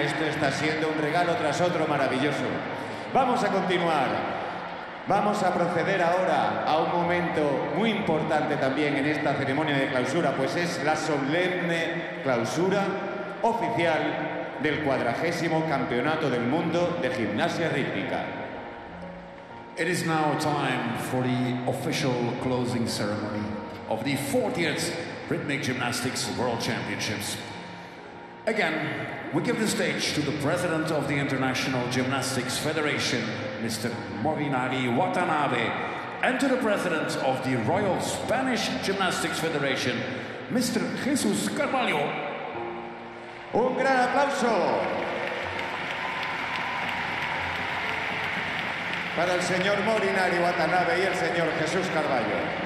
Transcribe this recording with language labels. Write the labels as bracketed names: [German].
[Spanish] Esto está siendo un regalo tras otro maravilloso. Vamos a continuar. Vamos a proceder ahora a un momento muy importante también en esta ceremonia de clausura, pues es la solemne clausura oficial del 40º Campeonato del Mundo de Gimnasia Rítmica. [English] It is now time for the official closing ceremony of the 40th Rhythmic Gymnastics World Championships. Again, we give the stage to the President of the International Gymnastics Federation, Mr. Morinari Watanabe, and to the President of the Royal Spanish Gymnastics Federation, Mr. Jesus Carvalho. [Spanish] Un gran aplauso para el señor Morinari Watanabe y el señor Jesús Carvalho.